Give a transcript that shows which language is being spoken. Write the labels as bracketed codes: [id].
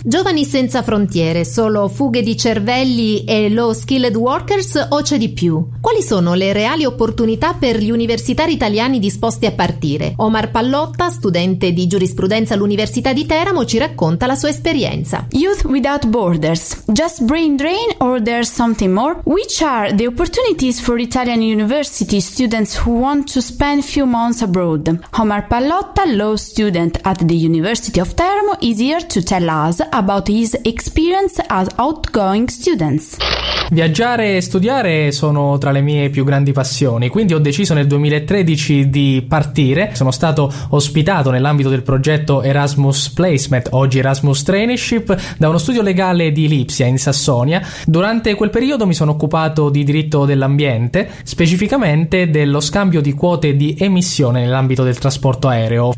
[it] Giovani senza frontiere, solo fughe di cervelli e [en] low-skilled workers [it] o c'è di più? Quali sono le reali opportunità per gli universitari italiani disposti a partire? Omar Pallotta, studente di giurisprudenza all'Università di Teramo, ci racconta la sua esperienza. [en] Youth without borders, just brain drain or there's something more? Which are the opportunities for Italian university students who want to spend few months abroad? Omar Pallotta, law student at the University of Teramo, is here to tell us about his experience as outgoing students. [it] Viaggiare e studiare sono tra le mie più grandi passioni, quindi ho deciso nel 2013 di partire. Sono stato ospitato nell'ambito del progetto Erasmus Placement, oggi Erasmus Traineeship, da uno studio legale di Lipsia in Sassonia. Durante quel periodo mi sono occupato di diritto dell'ambiente, specificamente dello scambio di quote di emissione nell'ambito del trasporto aereo.